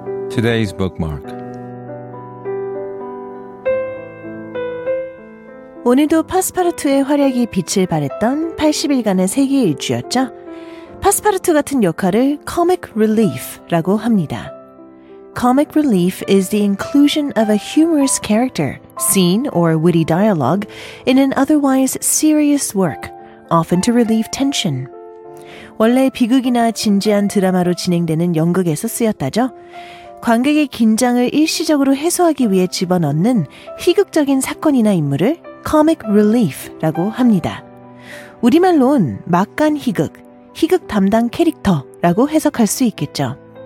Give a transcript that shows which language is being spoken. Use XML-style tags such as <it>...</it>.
<en>투데이즈 북마크.</en> <ko>오늘도 파스파르투의 활약이 빛을 발했던 80일간의 세계 일주였죠. 파스파르투 같은 역할을 comic relief라고 합니다.</ko> <en>Comic relief is the inclusion of a humorous character, scene, or witty dialogue in an otherwise serious work, often to relieve tension.</en> <ko>원래 비극이나 진지한 드라마로 진행되는 연극에서 쓰였다죠. 관객의 긴장을 일시적으로 해소하기 위해 집어넣는 희극적인 사건이나 인물을 comic relief라고 합니다. 우리말로는 막간 희극, 희극 담당 캐릭터라고 해석할 수 있겠죠.</ko>